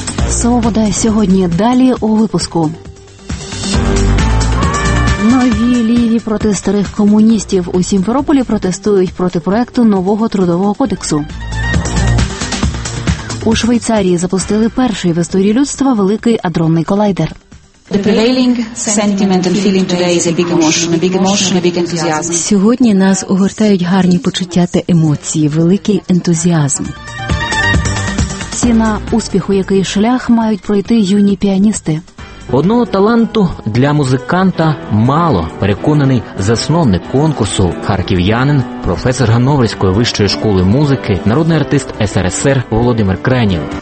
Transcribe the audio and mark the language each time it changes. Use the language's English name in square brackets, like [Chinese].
[Ukrainian] Свобода сьогодні. Далі у випуску. Нові ліві проти старих комуністів. У Сімферополі протестують проти проекту нового трудового кодексу. У Швейцарії запустили перший в історії людства великий адронний колайдер. [English] The prevailing sentiment and feeling today is a big emotion, a big enthusiasm. [Ukrainian] Сьогодні нас огортають гарні почуття та емоції, великий ентузіазм. Ціна успіху, який шлях мають пройти юні піаністи. Одного таланту для музиканта мало, переконаний засновник конкурсу, харків'янин, професор Гановрівської вищої школи музики, народний артист СРСР Володимир Кренєв.